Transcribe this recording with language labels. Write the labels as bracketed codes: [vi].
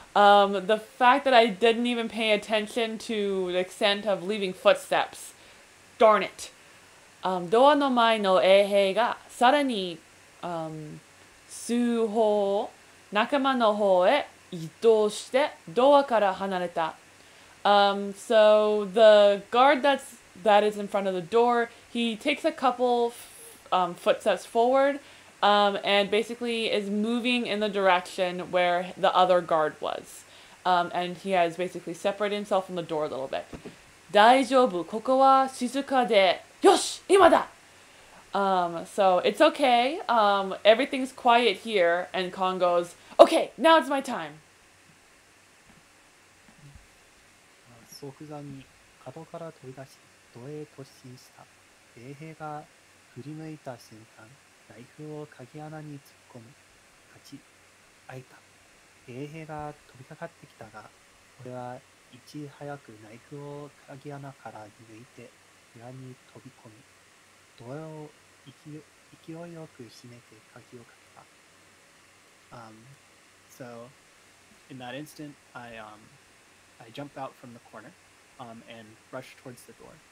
[en] The fact that I didn't even pay attention to the extent of leaving footsteps. Darn it. [ja] ドアの前の衛兵がさらに、数歩仲間の方へ移動してドアから離れた。 [en] So the guard that is in front of the door, he takes a couple footsteps forward. And basically is moving in the direction where the other guard was. And he has basically separated himself from the door a little bit. [ja] 大丈夫、ここは静かで。よし、今だ。 [en] So it's okay. Everything's quiet here. And Kong goes, okay, now it's my time. [ja] 即座に角から飛び出し、ドへ突進した。衛兵が振り向いた瞬間。ライフを鍵穴に突っ込む。勝ち。開いた。衛兵が飛びかかってきたが、俺はいち早くナイフを鍵穴から抜いて、部屋に飛び込む。ドアを勢いよく閉めて鍵をかけた。 [en] So, in that instant, I jumped out from the corner, and rushed towards the door.